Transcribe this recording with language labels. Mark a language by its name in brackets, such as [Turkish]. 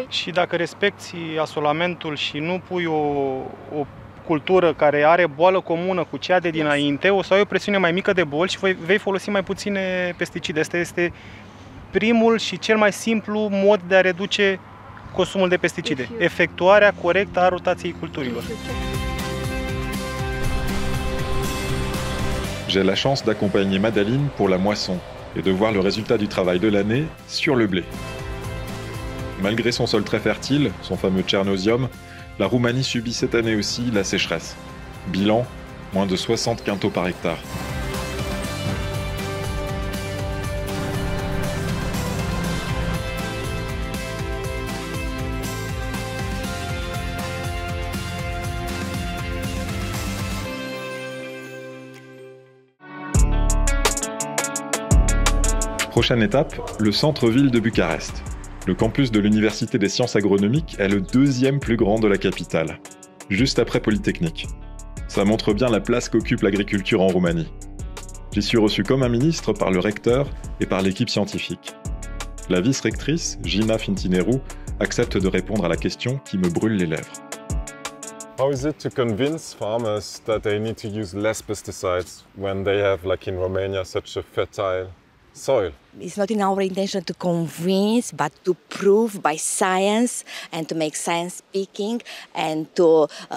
[Romanian] Și dacă respecti asolamentul și nu pui o cultură care are boală comună cu cea de dinainte, o să ai o presiune mai mică de boli și vei folosi mai puține pesticide. Asta este primul și cel mai simplu mod de a reduce consumul de pesticide. Efectuarea corectă a rotației culturilor. [French] J'ai la chance d'accompagner Madeline pour la moisson et de voir le résultat du travail de l'année sur le blé. Malgré son sol très fertile, son fameux tchernosium, la Roumanie subit cette année aussi la sécheresse. Bilan, moins de 60 quintaux par hectare. Prochaine étape, le centre-ville de Bucarest. Le campus de l'Université des sciences agronomiques est le deuxième plus grand de la capitale, juste après Polytechnique. Ça montre bien la place qu'occupe l'agriculture en Roumanie. J'y suis reçu comme un ministre par le recteur et par l'équipe scientifique. La vice-rectrice, Gina Fintineru, accepte de répondre à la question qui me brûle les lèvres. [English] How is it to convince farmers that they need to use less pesticides when they have, like in Romania, such a fertile soil. It's not in our intention to convince, but to prove by science and to make science speaking and to